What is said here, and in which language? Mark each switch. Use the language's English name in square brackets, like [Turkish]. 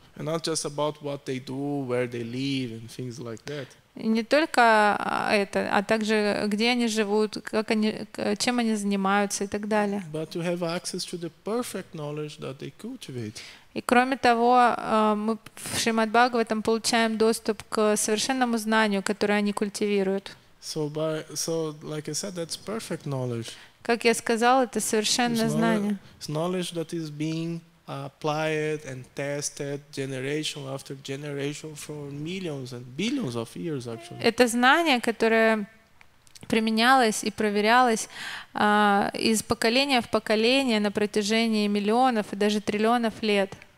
[English] And not just about what they do, where they live, and things like that. [Russian] Не только это, а также где они живут, как они, чем они занимаются и так далее. [English] But you have access to the perfect knowledge that they cultivate. [Russian] И кроме того, мы в Шримад Бхагаватам получаем доступ к совершенному знанию, которое они культивируют. [English] So, like I said, that's perfect knowledge. [Russian] Как я сказал, это совершенное знание. [English] It's knowledge that is being apply it and test it generation after generation for millions and billions of years actually. [Russian] Это знание, которое применялось и проверялось из поколения в поколение на протяжении миллионов и даже триллионов лет.